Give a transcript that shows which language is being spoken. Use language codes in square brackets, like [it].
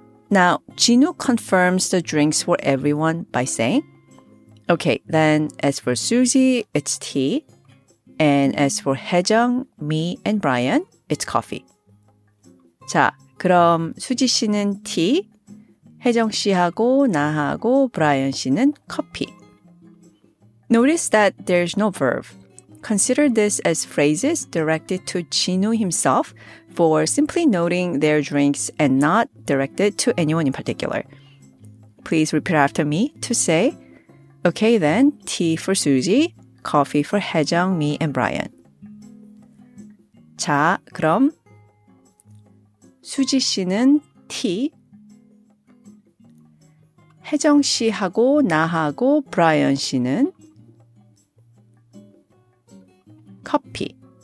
[en] Now, Jinu confirms the drinks for everyone by saying, Okay, then as for Suzy, it's tea. And as for Haejeong, me, and Brian, it's coffee. [ko] 자, 그럼 수지 씨는 티, 혜정 씨하고 나하고 브라이언 씨는 커피. [en] Notice that there's no verb. Consider this as phrases directed to Jinu himself for simply noting their drinks and not directed to anyone in particular. Please repeat after me to say, Okay then, tea for Suzy, coffee for Haejeong, me, and Brian. [ko] 자, 그럼 수지 씨는 티, 혜정 씨하고 나하고 브라이언 씨는 커피.